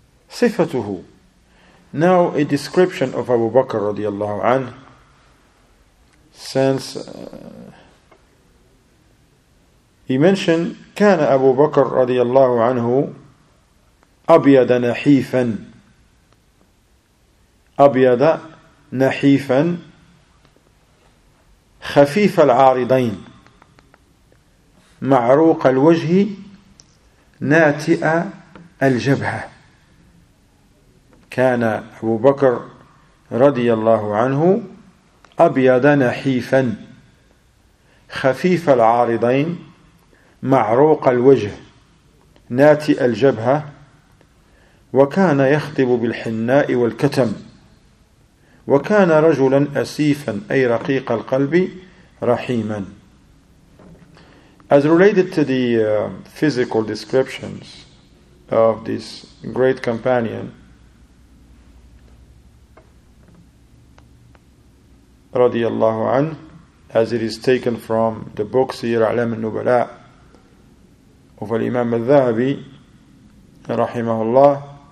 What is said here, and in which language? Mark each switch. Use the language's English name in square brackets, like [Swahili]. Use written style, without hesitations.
[English] Sifatuhu. Now, a description of Abu Bakr [Arabic] radiallahu anhu, [English] since he mentioned, كان Abu Bakr radiallahu anhu [Arabic] أبيض نحيفا. أبيض نحيفا خفيف العارضين معروق الوجه ناتئ الجبهة. كان أبو بكر رضي الله عنه أبيض نحيفا خفيف العارضين معروق الوجه ناتئ الجبهة وكان يخطب بالحناء والكتم وكان رجلا أسيفا أي رقيق القلب رحيما. [English] As related to the physical descriptions of this great companion [Arabic] رضي الله عنه, [English] as it is taken from the book سير أعلام النبلاء of الإمام الذهبي [Arabic] رحمه الله,